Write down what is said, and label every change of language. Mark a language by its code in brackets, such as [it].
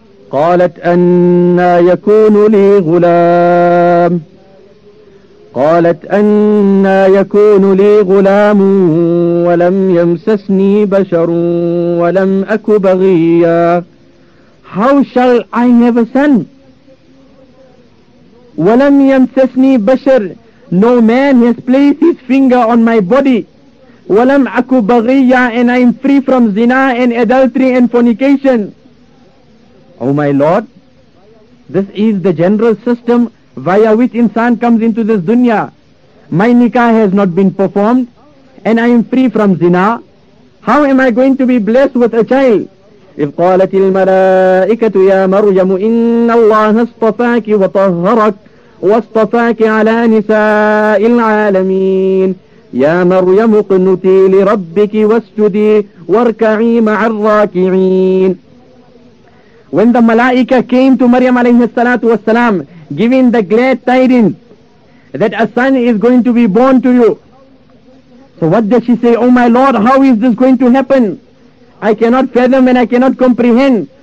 [ar] قالت أنا يكون لي غلام قالت أنا يكون لي غلام ولم يمسسني بشر ولم أك بغيا. [en] How shall I have a son? [ar] وَلَمْ يَمْسَسْنِي بَشَرٌ [en] No man has placed his finger on my body. [ar] وَلَمْ أَكُ بَغِيًّا [en] And I am free from zina and adultery and fornication. Oh my Lord, this is the general system via which insan comes into this dunya. My nikah has not been performed and I am free from zina. How am I going to be blessed with a child? [ar] إِذْ قَالَتِ الْمَلَائِكَةُ يَا مَرْيَمُ إِنَّ اللَّهَ اصْطَفَاكِ وَطَهَّرَكِ واصطفاك على نساء العالمين يا مريم اقنتي لربك واسجدي واركعي مع الراكعين. [en] When the malaika came to Maryam [ar] عليه الصلاة والسلام [en] giving the glad tidings that a son is going to be born to you, so what does she say? Oh my Lord, how is this going to happen? I cannot fathom and I cannot comprehend.